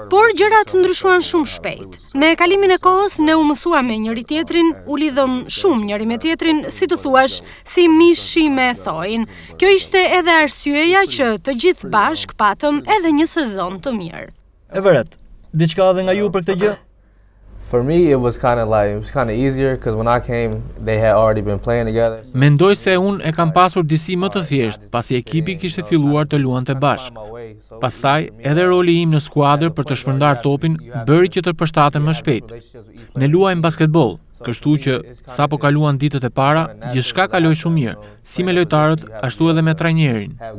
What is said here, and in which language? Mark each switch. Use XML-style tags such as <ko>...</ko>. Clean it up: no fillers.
<sq>Por gjërat ndryshuan shumë shpejt. Me kalimin e kohës ne u mësuam me njëri tjetrin, u lidhëm shumë njëri me tjetrin, si të thuash, si mishi me thojin. Kjo ishte edhe arsyeja që të gjithë bashk patëm edhe një sezon të mirë. E vërtet, diçka edhe nga ju për këtë gjë?</sq> <en>For me it was kind of like it was kind of easier cuz when I came they had already been playing together.</en> <sq>Mendoj se un e kam pasur disi më të thjesht pasi ekipi kishte filluar të luante bashk. Pastaj edhe roli im në skuadër për të shpërndar topin bëri që të përshtatem më shpejt. Ne luajm basketboll, kështu që sapo kaluan ditët e para, gjithçka kaloi shumë mirë, si me lojtarët ashtu edhe me trajnerin.</sq>